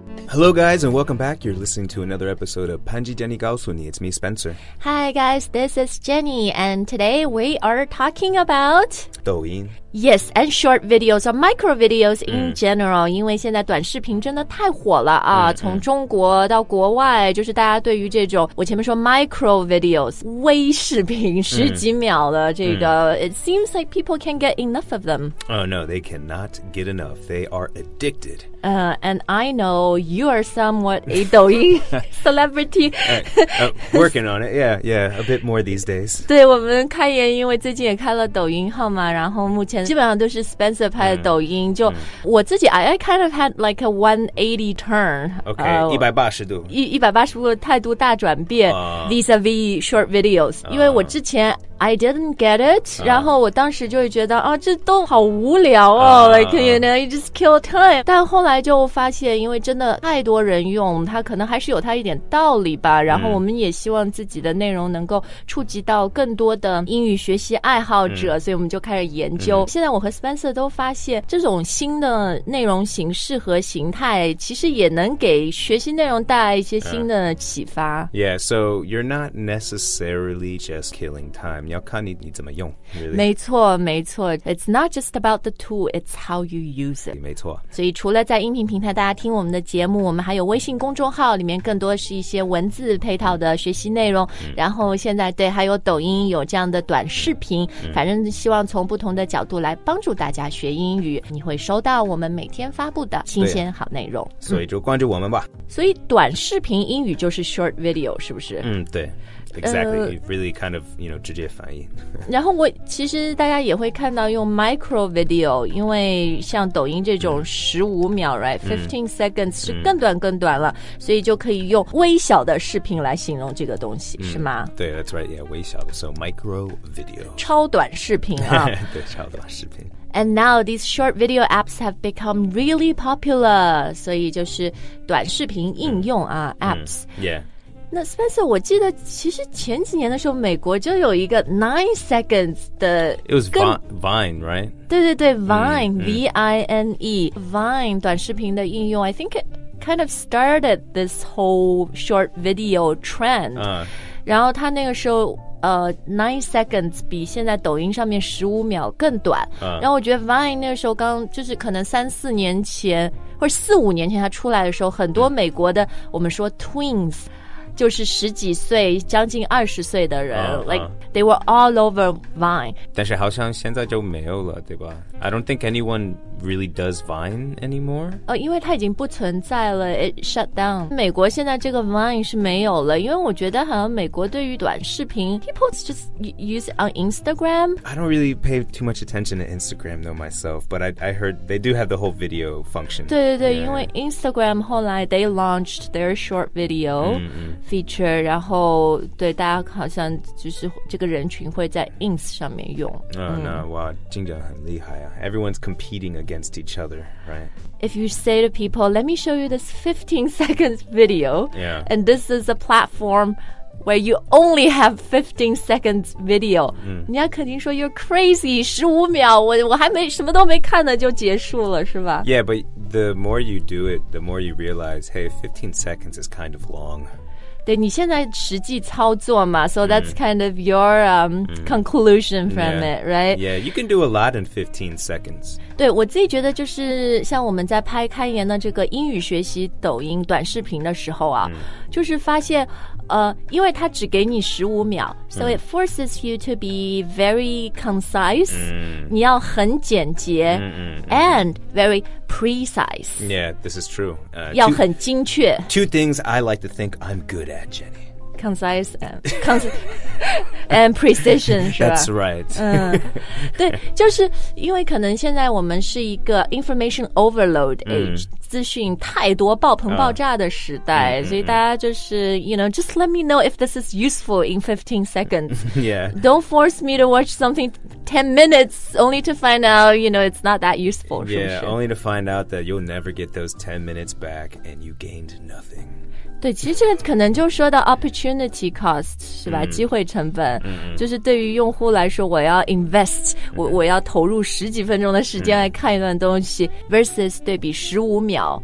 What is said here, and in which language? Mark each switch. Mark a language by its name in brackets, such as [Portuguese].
[English] Hello, guys, and welcome back. You're listening to another episode of 판지 제니 가오소니. It's me, Spencer. Hi, guys. This is Jenny, and today we are talking about [Chinese] 抖音. [English] Yes, and short videos or micro videos in general. [Chinese] 因为现在短视频真的太火了啊！从中国到国外，就是大家对于这种我前面说 micro videos 微视频十几秒的这个 [English] it seems like people can't get enough of them. Oh no, they cannot get enough. They are addicted. And I know you are somewhat a 抖音 celebrity. Working on it. Yeah, yeah, a bit more these days. [Chinese] 对，我们开言，因为最近也开了抖音号嘛，然后目前。基本上都是 Spencer 拍的抖音就我自己 [English] I kind of had like a 180 turn [Chinese] OK 180度 180度的态度大转变、 [English] vis-a-vis short videos [Chinese] 因为我之前 [English] I didn't get it、 [Chinese] 然后我当时就会觉得啊，这都好无聊哦、 [English] Like you know you just kill time [Chinese] 但后来就发现因为真的太多人用它可能还是有它一点道理吧然后我们也希望自己的内容能够触及到更多的英语学习爱好者、所以我们就开始研究、现在我和 Spencer 都发现这种新的内容形式和形态其实也能给学习内容带来一些新的启发、 [English] Yeah so you're not necessarily just killing time [Chinese] 你要看 你怎么用、 [English] really. [Chinese] 没错没错 [English] It's not just about the tool It's how you use it [Chinese] 没错所以除了在音频平台大家听我们的节目我们还有微信公众号里面更多是一些文字配套的学习内容、然后现在对还有抖音有这样的短视频、反正希望从不同的角度来帮助大家学英语你会收到我们每天发布的新鲜好内容、所以就关注我们吧所以短视频英语就是 short video 是不是 [English] 对Exactly, really kind of, you know, [Chinese] 直接翻译。然后我其实大家也会看到用 micro video, 因为像抖音这种15秒, right? 15 seconds 是更短更短了,所以就可以用微小的视频来形容这个东西,是吗? [English] 对, that's right, yeah, [Chinese] 微小的, [English] so micro video. [Chinese] 超短视频啊。对,超短视频。 [English] And now these short video apps have become really popular, [Chinese] 所以就是短视频应用啊, [English] apps. Yeah. [Chinese] 那 Spencer, 我记得其实前几年的时候美国就有一个 9 seconds 的 [English] It was Vine, right? [Chinese] 对对对 Vine, V-I-N-E Vine 短视频的应用 [English] I think it kind of started this whole short video trend、 [Chinese] 然后他那个时候9 seconds 比现在抖音上面15秒更短、然后我觉得 Vine 那个时候刚就是可能三四年前或者四五年前他出来的时候很多美国的、我们说 Twins就是十几岁将近二十岁的人 [English] like they were all over Vine [Chinese] 但是好像现在就没有了对吧 [English] I don't think anyone really does Vine anymore [Chinese] 因为它已经不存在了 [English] it shut down [Chinese] 美国现在这个 Vine 是没有了因为我觉得好像美国对于短视频 [English] people just use it on Instagram I don't really pay too much attention to Instagram though myself but I heard they do have the whole video function [Chinese] 对对对、因为 Instagram 后来 [English] they launched their short video、feature [Chinese] 然后对大家好像就是这个人群会在 Ins 上面用 [English] no, [Chinese] 哇竞争很厉害啊 [English] everyone's competing against each other right if you say to people let me show you this 15 seconds video yeah and this is a platform where you only have 15 seconds video [Chinese] 你要肯定说 [English] you're crazy [Chinese] 15秒我还没什么都没看呢就结束了是吧 [English] yeah but the more you do it the more you realize hey 15 seconds is kind of long [Chinese] 对你现在实际操作嘛 [English] so that's kind of your conclusion from it, right? Yeah, you can do a lot in 15 seconds. [Chinese] 对我自己觉得就是像我们在拍开言的这个英语学习抖音短视频的时候啊、就是发现因为它只给你15秒 [English] so it forces you to be very concise, [Chinese] 你要很简洁 [English] and very precise. Yeah, this is true. [Chinese] 要很精确 [English] Two things I like to think I'm good at, Jenny. Concise and, and precision, That's right. [Chinese] 对,就是因为可能现在我们是一个 information overload age,资讯太多爆棚爆炸的时代、所以大家就是 [English] you know just let me know if this is useful in 15 seconds yeah don't force me to watch something 10 minutes only to find out you know it's not that useful yeah only to find out that you'll never get those 10 minutes back and you gained nothing [Chinese] 对，其实这个可能就说到 opportunity cost 是吧、嗯、机会成本、嗯、就是对于用户来说我要 invest、嗯、我要投入十几分钟的时间来看一段东西、嗯、versus 对比十五秒、